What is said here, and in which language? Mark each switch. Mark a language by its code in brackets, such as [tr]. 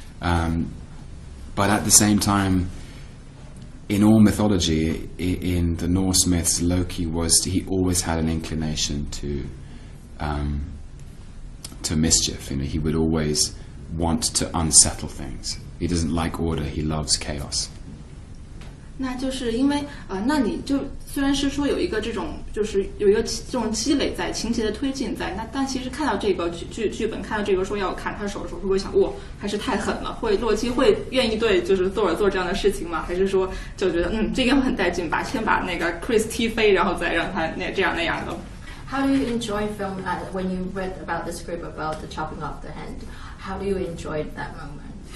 [en] But at the same time, in all mythology, in the Norse myths, Loki he always had an inclination to mischief. You know, he would always want to unsettle things. He doesn't like order. He loves chaos. [zh] 那就是因为，那你就虽然是说有一个这种积累在情节的推进在，那但其实看到这个剧本，看到这个说要砍他手的时候，会不会想，哇，还是太狠了？会洛基会愿意对就是Thor做这样的事情吗？还是说就觉得，这个很带劲，把先把那个 Chris 踢飞，然后再让他那这样那样的 [en] ？How do you enjoy film when you read about the script about the chopping off the hand? How do you enjoy that moment?